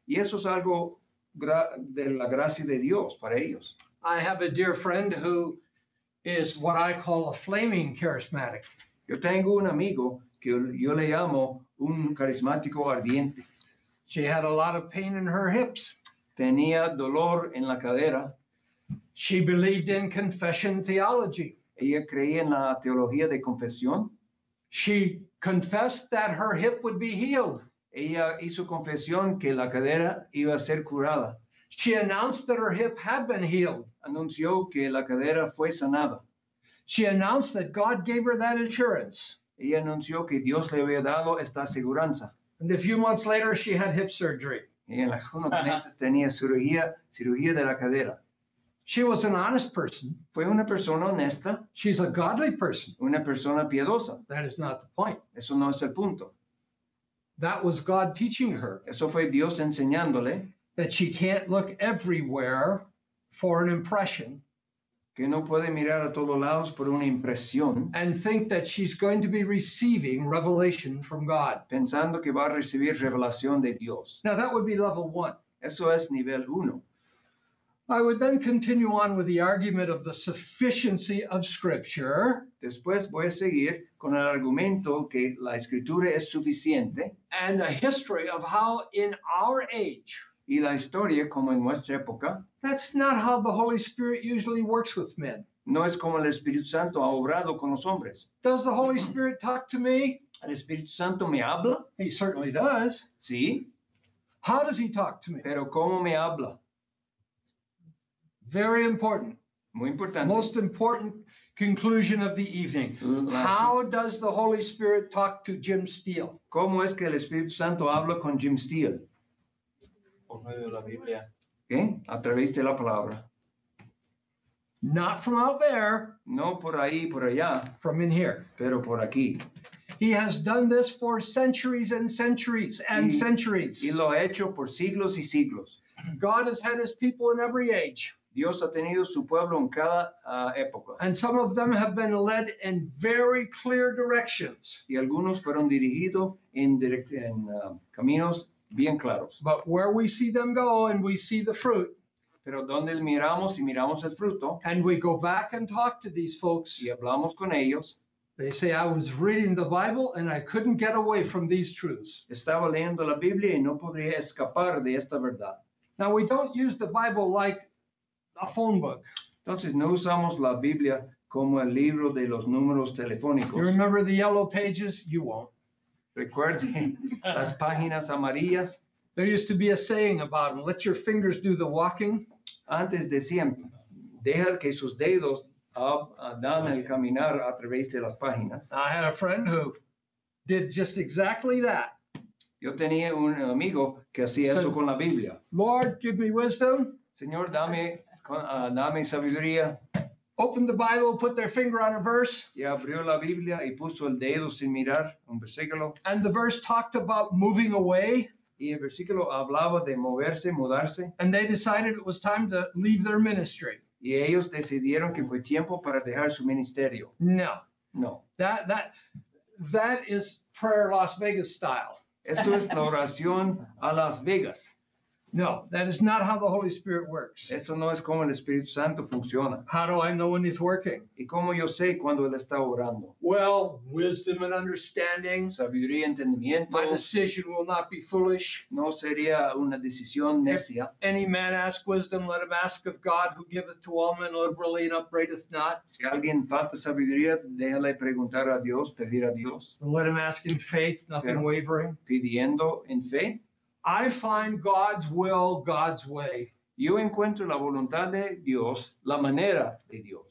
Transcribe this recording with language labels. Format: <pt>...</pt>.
<es>Y eso es algo de la gracia de Dios para ellos.</es> <en>I have a dear friend who is what I call a flaming charismatic.</en> <es>Yo tengo un amigo que yo le llamo un carismático ardiente.</es> <en>She had a lot of pain in her hips.</en> <es>Tenía dolor en la cadera.</es> <en>She believed in confession theology.</en> <es>Ella creía en la teología de confesión.</es> <en>She confessed that her hip would be healed.</en> <es>Ella hizo confesión que la cadera iba a ser curada.</es> <en>She announced that her hip had been healed.</en> <es>Anunció que la cadera fue sanada.</es> <en>She announced that God gave her that assurance.</en> <es>Ella anunció que Dios le había dado esta aseguranza.</es> <en>And a few months later, she had hip surgery.</en> <es>Y en algunos meses tenía cirugía de la cadera.</es> <en>She was an honest person.</en> <es>Fue una persona honesta.</es> <en>She's a godly person.</en> <es>Una persona piadosa.</es> <en>That is not the point.</en> <es>Eso no es el punto.</es> <en>That was God teaching her.</en> <es>Eso fue Dios enseñándole.</es> <en>That she can't look everywhere for an impression.</en> <es>Que no puede mirar a todos lados por una impresión.</es> <en>And think that she's going to be receiving revelation from God.</en> <es>Pensando que va a recibir revelación de Dios.</es> <en>Now that would be level one.</en> <es>Eso es nivel uno.</es> <en>I would then continue on with the argument of the sufficiency of Scripture.</en> <es>Después voy a seguir con el argumento que la Escritura es suficiente.</es> <en>And a history of how in our age.</en> <es>Y la historia como en nuestra época.</es> <en>That's not how the Holy Spirit usually works with men.</en> <es>No es como el Espíritu Santo ha obrado con los hombres.</es> <en>Does the Holy Spirit talk to me?</en> <es>¿El Espíritu Santo me habla?</es> <en>He certainly does.</en> <es>Sí.</es> <en>How does he talk to me?</en> <es>Pero ¿cómo me habla?</es> <en>Very important.</en> <es>Muy importante.</es> <en>Most important conclusion of the evening. How does the Holy Spirit talk to Jim Steele?</en> <es>¿Cómo es que el Espíritu Santo habla con Jim Steele? Por medio de la Biblia. ¿Qué? A través de la palabra.</es> <en>Not from out there.</en> <es>No por ahí, por allá.</es> <en>From in here.</en> <es>Pero por aquí.</es> <en>He has done this for centuries and centuries and centuries.</en> <es>Y lo ha hecho por siglos y siglos.</es> <en>God has had his people in every age.</en> <es>Dios ha tenido su pueblo en cada época.</es> <en>And some of them have been led in very clear directions.</en> <es>Y algunos fueron dirigidos en caminos bien claros.</es> <en>But where we see them go and we see the fruit.</en> <es>Pero donde miramos y miramos el fruto.</es> <en>And we go back and talk to these folks.</en> <es>Y hablamos con ellos.</es> <en>They say, I was reading the Bible and I couldn't get away from these truths.</en> <es>Estaba leyendo la Biblia y no podía escapar de esta verdad.</es> <en>Now we don't use the Bible like a phone book.</en> <es>Entonces no usamos la Biblia como el libro de los números telefónicos.</es> <en>You remember the yellow pages? You won't.</en> <es>Recuerden las páginas amarillas.</es> <en>There used to be a saying about them, let your fingers do the walking.</en> <es>Antes decían, deja que sus dedos dan el caminar a través de las páginas.</es> <en>I had a friend who did just exactly that.</en> <es>Yo tenía un amigo que hacía eso con la Biblia.</es> <en>Lord, give me wisdom.</en> <es>Señor, dame sabiduría.</es> <en>Open the Bible, put their finger on a verse.</en> <es>Y abrió la Biblia y puso el dedo sin mirar un versículo.</es> <en>And the verse talked about moving away.</en> <es>Y el versículo hablaba de moverse, mudarse.</es> <en>And they decided it was time to leave their ministry.</en> <es>Y ellos decidieron que fue tiempo para dejar su ministerio.</es> <en>No.</en> <es>No.</es> <en>That is prayer Las Vegas style.</en> <es>Esto es la oración a Las Vegas.</es> <en>No, that is not how the Holy Spirit works.</en> <es>Eso no es como el Espíritu Santo funciona.</es> <en>How do I know when he's working?</en> <es>¿Y cómo yo sé cuando él está orando?</es> <en>Well, wisdom and understanding.</en> <es>Sabiduría y entendimiento.</es> <en>My decision will not be foolish.</en> <es>No sería una decisión necia.</es> <en>If any man ask wisdom, let him ask of God, who giveth to all men liberally and upbraideth not.</en> <es>Si alguien falta sabiduría, déjale preguntar a Dios, pedir a Dios.</es> <en>Let him ask in faith, nothing wavering.</en> <es>Pidiendo en fe.</es> <en>I find God's will, God's way.</en> <es>Yo encuentro la voluntad de Dios, la manera de Dios.</es>